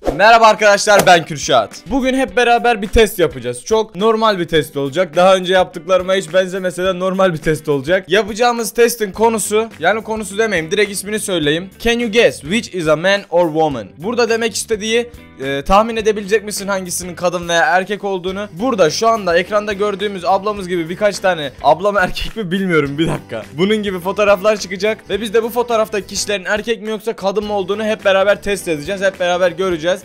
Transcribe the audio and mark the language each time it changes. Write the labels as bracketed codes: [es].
[tr] Merhaba arkadaşlar, ben Kürşat. Bugün hep beraber bir test yapacağız. Çok normal bir test olacak. Daha önce yaptıklarıma hiç benzemese de normal bir test olacak. Yapacağımız testin konusu, yani konusu demeyeyim, direkt ismini söyleyeyim. [en] Can you guess which is a man or woman? [tr] Burada demek istediği tahmin edebilecek misin hangisinin kadın veya erkek olduğunu. Burada şu anda ekranda gördüğümüz ablamız gibi birkaç tane, ablam erkek mi bilmiyorum, bir dakika, bunun gibi fotoğraflar çıkacak ve biz de bu fotoğraftaki kişilerin erkek mi yoksa kadın mı olduğunu hep beraber test edeceğiz, hep beraber göreceğiz.